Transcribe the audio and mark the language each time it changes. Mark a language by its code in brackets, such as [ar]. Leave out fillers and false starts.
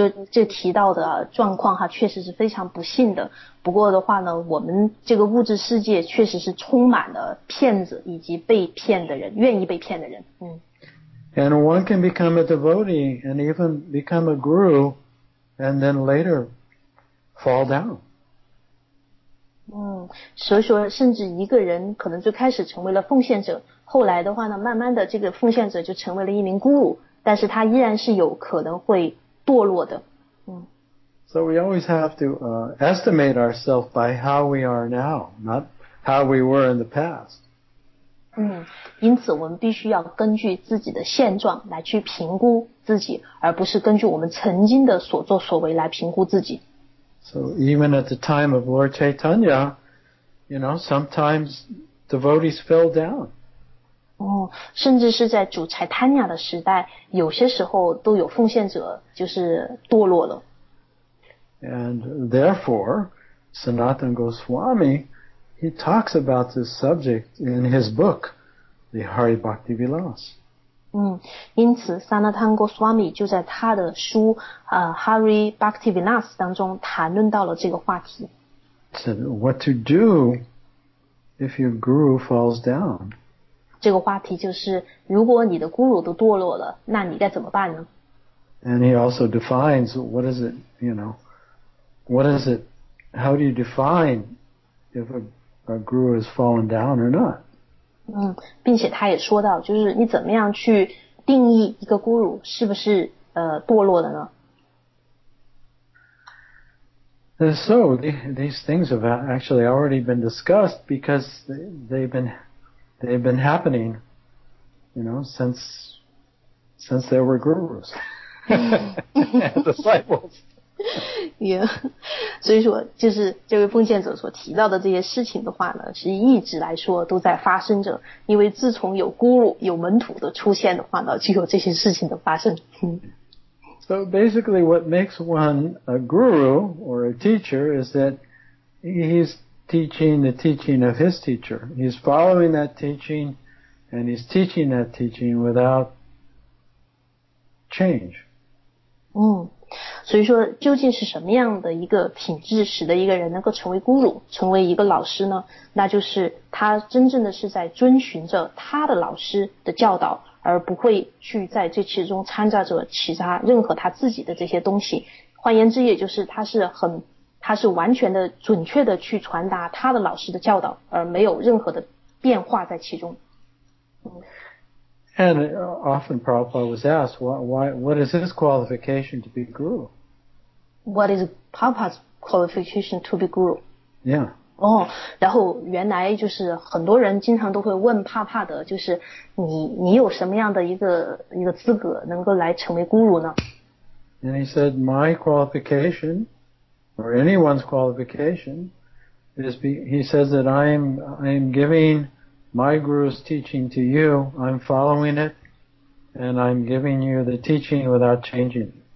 [zh] 就提到的状况哈，确实是非常不幸的。不过的话呢，我们这个物质世界确实是充满了骗子以及被骗的人，愿意被骗的人。 [en] And one can become a devotee and even become a guru, and then later fall down. [zh] 所以说甚至一个人可能最开始成为了奉献者，后来的话呢慢慢的这个奉献者就成为了一名guru，但是他依然是有可能会堕落的。 [en] So we always have to estimate ourselves by how we are now, not how we were in the past. [zh] 因此我们必须要根据自己的现状来去评估自己，而不是根据我们曾经的所作所为来评估自己。 [en] So even at the time of Lord Chaitanya, you know, sometimes devotees fell down. [zh] 甚至是在主柴坦尼亚的时代，有些时候都有奉献者就是堕落了。 [en] And therefore, Sanatana Goswami, he talks about this subject in his book, the Hari Bhakti Vilas. [zh] 因此 Sanatana Goswami 就在他的书Hari Bhakti Vilas 当中谈论到了这个话题。 [en] So what to do if your guru falls down? [zh] 这个话题就是如果你的 guru 都堕落了，那你该怎么办呢？ [en] And he also defines what is it, you know, what is it, how do you define if a guru has fallen down or not? [zh] 并且他也说到，就是你怎么样去定义一个guru是不是堕落的呢？ [en] And so these things have actually already been discussed because they've been happening, you know, since there were gurus and disciples. [zh] Yeah, 所以说就是这位奉献者所提到的这些事情的话呢，是一直来说都在发生着，因为自从有guru有门徒的出现的话呢，就有这些事情的发生。 [en] So basically what makes one a guru or a teacher is that he's teaching the teaching of his teacher. He's following that teaching and he's teaching that teaching without change. [zh] 所以说究竟是什么样的一个品质使得一个人能够成为guru，成为一个老师呢？那就是他真正的是在遵循着他的老师的教导，而不会去在这其中掺杂着其他任何他自己的这些东西。换言之，也就是他是完全的准确的去传达他的老师的教导，而没有任何的变化在其中。 [en] And often Prabhupada was asked, what is his qualification to be guru? What is Prabhupada's qualification to be guru? Yeah. [zh] 哦、oh, ，然后原来就是很多人经常都会问帕帕的，就是你有什么样的一个资格能够来成为 guru 呢？ [en] And he said, my qualification, or anyone's qualification, is he says that I am giving. My guru's teaching to you, I'm following it, and I'm giving you the teaching without changing.